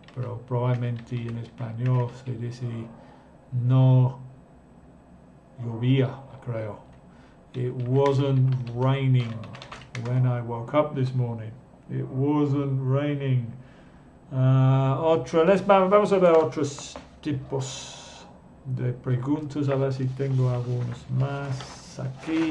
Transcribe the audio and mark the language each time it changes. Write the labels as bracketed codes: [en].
[es] Pero probablemente en español se dice no llovía, creo. [en] It wasn't raining when I woke up this morning. It wasn't raining. [es] Vamos a ver otros tipos de preguntas. A ver si tengo algunos más aquí.